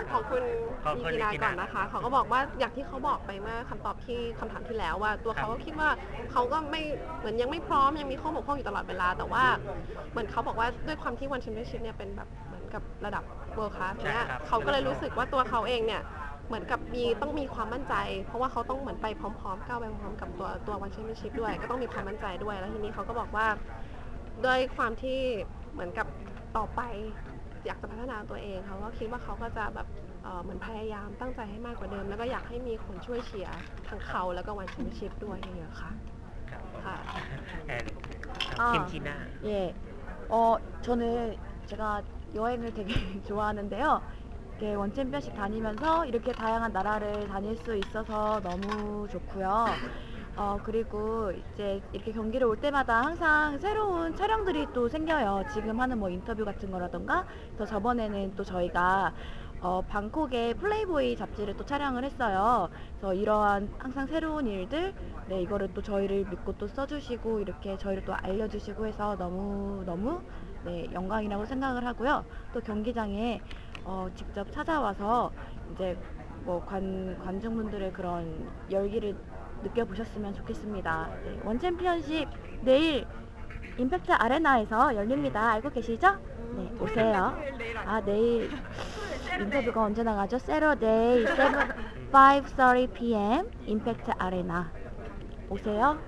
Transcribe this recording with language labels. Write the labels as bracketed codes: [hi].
[th] คุณวีนาก่อนนะคะเขาก็บอกว่าอย่างที่เขาบอกไปเมื่อคำตอบที่คำถามที่แล้วว่าตัวเขาก็คิดว่าเขาก็ไม่เหมือนยังไม่พร้อมยังมีข้อบกพร่องอยู่ตลอดเวลาแต่ว่าเหมือนเขาบอกว่าด้วยความที่วันแชมเปี้ยนชิพเนี่ยเป็นแบบเหมือนกับระดับเวิลด์คลาสเนี่ยเขาก็เลยรู้สึกว่าตัวเขาเองเนี่ยเหมือนกับมีต้องมีความมั่นใจเพราะว่าเขาต้องเหมือนไปพร้อมๆก้าวไปพร้อมกับตัววันแชมเปี้ยนชิพด้วยก็ต้องมีความมั่นใจด้วยแล้วทีนี้เขาก็บอกว่า ด้วยความที่เหมือนกับต่อไปอยากจะพัฒนาตัวเองเขาก็คิดว่าเขาก็จะแบบเหมือนพยายามตั้งใจให้มากกว่าเดิมแล้วก็อยากให้มีคนช่วยเชียร์ทั้งเขาแล้วก็วันแชมเปี้ยนชิพด้วยเยอะค่ะ ค่ะ คิมจีน่า [ko] 예 저는 제가 여행을 되게 좋아하는데요 이렇게 원 챔피언십 다니면서 이렇게 다양한 나라를 다닐 수 있어서 너무 좋고요 그리고 이제 이렇게 경기를 올 때마다 항상 새로운 촬영들이 또 생겨요 지금 하는 뭐 인터뷰 같은 거라던가 또 저번에는 또 저희가 방콕에 플레이보이 잡지를 또 촬영을 했어요 그래서 이러한 항상 새로운 일들 네 이거를 또 저희를 믿고 또 써주시고 이렇게 저희를 또 알려주시고 해서 너무너무 네 영광이라고 생각을 하고요 또 경기장에 직접 찾아와서 이제 뭐 관중분들의 그런 열기를 느껴보셨으면 좋겠습니다 네, 원 챔피언십 내일 임팩트 아레나에서 열립니다 알고 계시죠? 네 오세요 아 내일 인터뷰가 언제 나가죠? [en] Saturday 5:30 p.m. [ko] Impact Arena 오세요.